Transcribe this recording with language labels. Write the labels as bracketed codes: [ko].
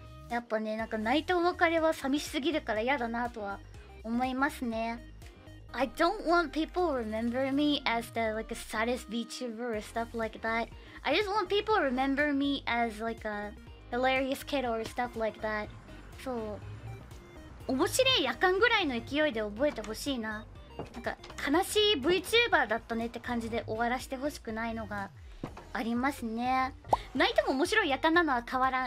[ja] やっぱね、なんか泣いたお別れは寂しすぎるから嫌だなとは思いますね。 [en] I don't want people remember me as the like saddest VTuber or stuff like that. I just want people remember me as like a hilarious kid or stuff like that. [ja] そう。面白い夜間ぐらいの勢いで覚えてほしいな。なんか悲しい VTuber だったねって感じで終わらせてほしくないのがありますね。泣いても面白い夜間なのは変わらん。